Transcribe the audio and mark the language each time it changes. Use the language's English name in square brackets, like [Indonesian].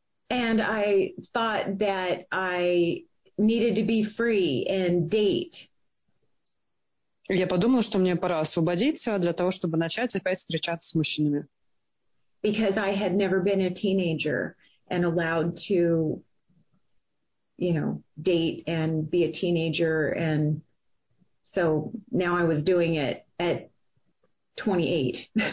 [English] And I thought that I needed to be free and date. [Russian] Я подумала, что мне пора освободиться для того, чтобы начать опять встречаться с мужчинами. [English] Because I had never been a teenager and allowed to, you know, date and be a teenager. And so now I was doing it at 28.